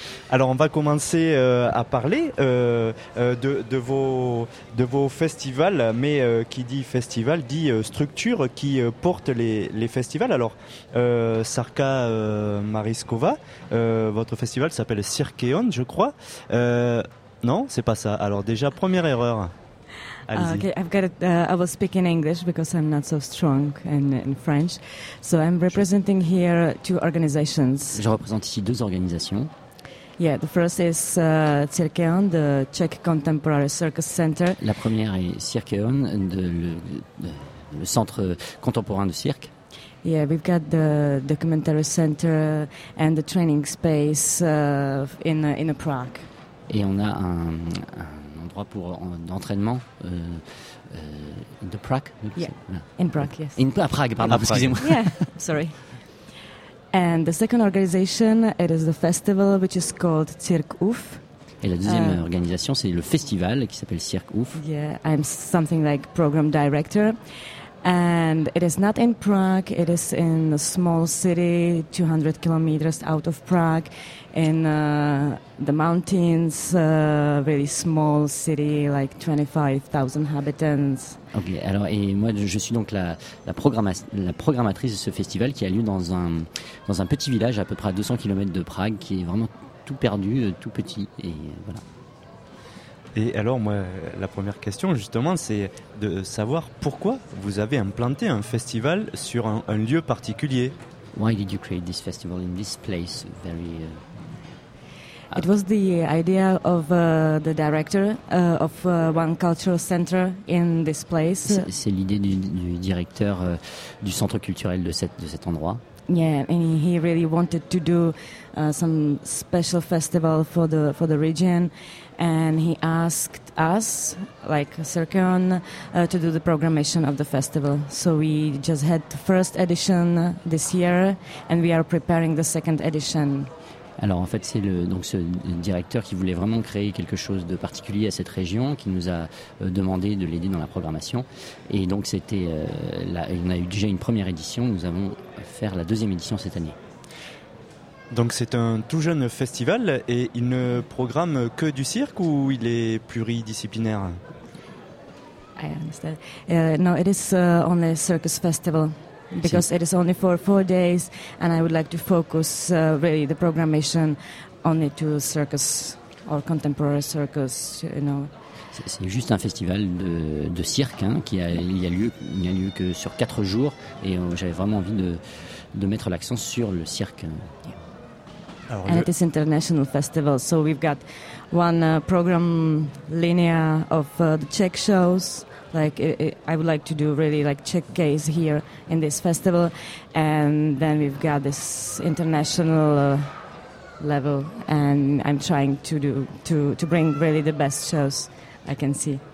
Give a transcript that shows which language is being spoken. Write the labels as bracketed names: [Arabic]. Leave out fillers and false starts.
[French] Alors, on va commencer à parler de vos festivals, mais qui dit festival dit structure qui porte les festivals. Alors, Sarka Mariskova, votre festival s'appelle Cirkeon, je crois. Non, c'est pas ça. Alors, déjà, première erreur. [English] Okay, I've got. I will speak in English because I'm not so strong in French. So I'm representing here two organizations. [French] Je représente ici deux organisations. [English] Yeah, the first is Cirkeon, the Czech Contemporary Circus Center. [French] La première est Cirkeon, le centre contemporain de cirque. [English] Yeah, we've got the documentary center and the training space in Prague. [French] Et on a un endroit pour d'entraînement de Prague. [English] Yeah, in Prague, yes. [French] À Prague, pardon. Prague. Excusez-moi. [English] Yeah, sorry. And the second organization, it is the festival which is called Cirque Ouf. [French] Et la deuxième organisation, c'est le festival qui s'appelle Cirque Ouf. [English] Yeah, I'm something like program director, and it is not in Prague. It is in a small city, 200 kilometers out of Prague, in the mountains, really small city, like 25,000 inhabitants. [French] Ok, alors, et moi, je suis donc la programmatrice de ce festival qui a lieu dans un petit village à peu près à 200 kilomètres de Prague, qui est vraiment tout perdu, tout petit, et voilà. Et alors, moi, la première question, justement, c'est de savoir pourquoi vous avez implanté un festival sur un lieu particulier. [English] Why did you create this festival in this place? Very. It was the idea of the director of one cultural center in this place. [French] C'est l'idée du directeur du centre culturel de cet endroit. [English] Yeah, and he really wanted to do some special festival for the region, and he asked us, like Cirkeon, to do the programmation of the festival. So we just had the first edition this year, and we are preparing the second edition. [French] Alors en fait c'est ce directeur qui voulait vraiment créer quelque chose de particulier à cette région, qui nous a demandé de l'aider dans la programmation, et donc c'était on a eu déjà une première édition, nous allons faire la deuxième édition cette année. Donc c'est un tout jeune festival et il ne programme que du cirque ou il est pluridisciplinaire? [English] I understand. No, it is only a circus festival. Because it is only for 4 days, and I would like to focus really the programmation only to circus or contemporary circus, you know. [French] C'est juste un festival de cirque hein, qui n'a lieu que sur 4 jours, et j'avais vraiment envie de mettre l'accent sur le cirque. [English] Alors, and it is international festival, so we've got one program linear of the Czech shows. Like I would like to do really like Czech gaze here in this festival, and then we've got this international level, and I'm trying to do to bring really the best shows I can see.